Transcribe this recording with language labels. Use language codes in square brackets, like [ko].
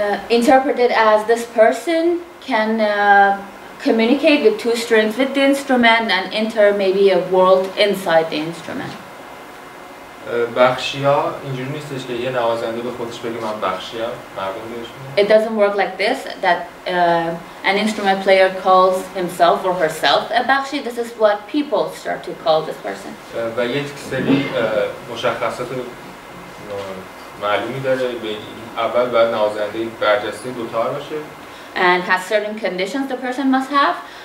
[en] Interpreted as this person can communicate with two strings with the instrument and enter maybe a world inside the instrument. [fa] بخشی ها اینجوری نیستش که یه نوازنده به خودش بگه من بخشی ها مربون بهشونه. [en] It doesn't work like this, that an instrument player calls himself or herself a bakhshi. This is what people start to call this person. [fa] و یک سری مشخصات معلومی داره. اول باید نوازنده برجسته دوتار باشه. [en] And has certain conditions the person must have.